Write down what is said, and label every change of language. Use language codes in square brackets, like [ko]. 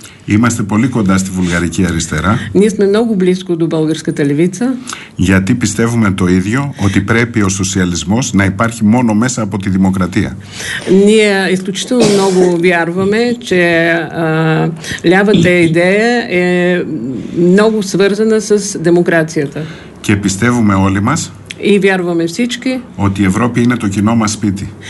[el] Είμαστε πολύ κοντά στη Βουλγαρική Αριστερά. [bg] Ние сме много близко до Българската левица. [el] Γιατί πιστεύουμε το ίδιο, ότι πρέπει ο σοσιαλισμός να υπάρχει μόνο μέσα από τη δημοκρατία. [bg] Ние изключително много вярваме, че лявата идея е много свързана с демокрацията. [el] Και πιστεύουμε όλοι μας. [bg] И вярваме всички. [el] Ότι Европа είναι το κοινό μας σπίτι.